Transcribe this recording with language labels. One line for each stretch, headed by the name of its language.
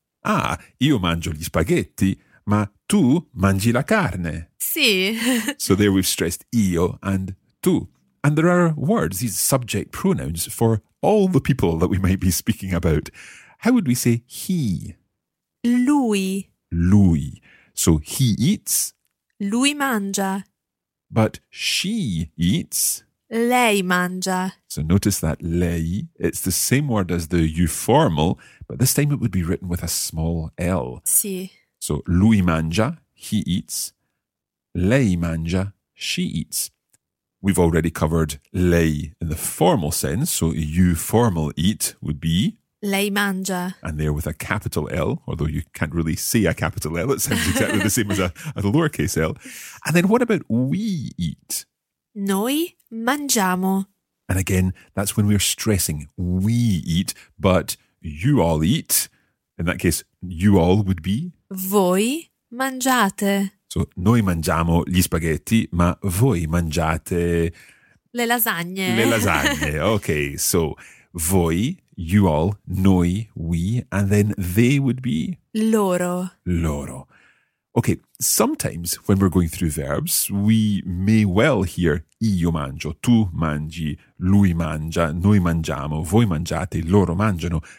Italian: Ah, io mangio gli spaghetti, ma tu mangi la carne. Sì.
English: So there we've stressed io and tu. And there are words, these subject pronouns, for all the people that we might be speaking about. How would we say he?
Italian: Lui.
English: Lui. So he eats.
Italian: Lui mangia.
English: But she eats.
Italian: Lei mangia.
English: So notice that lei, it's the same word as the you formal, but this time it would be written with a small l.
Italian: Sì.
English: So
Italian: lui mangia,
English: he eats.
Italian: Lei mangia,
English: she eats. We've already covered lei in the formal sense, so you formal eat would be
Italian: lei mangia.
English: And there with a capital L, although you can't really see a capital L, it sounds exactly the same as a lowercase l. And then what about we eat?
Italian: Noi mangiamo.
English: And again, that's when we're stressing we eat, but you all eat. In that case, you all would be?
Italian: Voi mangiate. So noi mangiamo gli spaghetti, ma voi mangiate... Le lasagne. Le lasagne.
English: Okay, so voi, you all, noi, we, and then they would be?
Italian: Loro.
English: Loro. Okay, sometimes when we're going through verbs, we may well hear
Italian: io mangio, tu mangi, lui mangia, noi mangiamo, voi mangiate, loro mangiano.